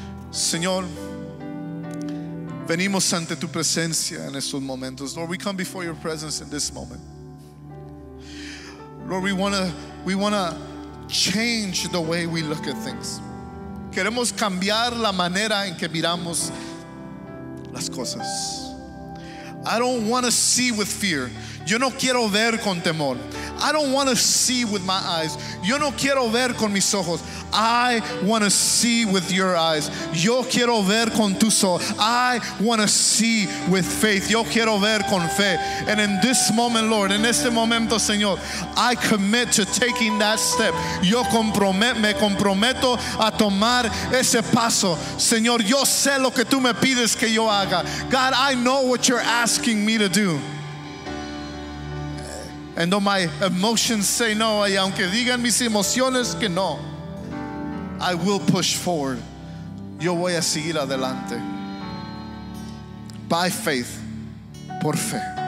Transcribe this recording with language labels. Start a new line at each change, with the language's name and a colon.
Spanish: Señor, venimos ante tu presencia en estos momentos.
English: Lord, we come before your presence in this moment. Lord, we wanna change the way we look at things.
Spanish: Queremos cambiar la manera en que miramos las cosas.
English: I don't want to see with fear.
Spanish: Yo no quiero ver con temor.
English: I don't want to see with my eyes.
Spanish: Yo no quiero ver con mis ojos.
English: I want to see with your eyes.
Spanish: Yo quiero ver con tus ojos.
English: I want to see with faith.
Spanish: Yo quiero ver con fe.
English: And in this moment, Lord,
Spanish: en este momento, Señor,
English: I commit to taking that step.
Spanish: Yo me comprometo a tomar ese paso. Señor, yo sé lo que tú me pides que yo haga.
English: God, I know what you're asking me to do. And though my emotions say no,
Spanish: y aunque digan mis emociones que no,
English: I will push forward.
Spanish: Yo voy a seguir adelante.
English: By faith,
Spanish: por fe.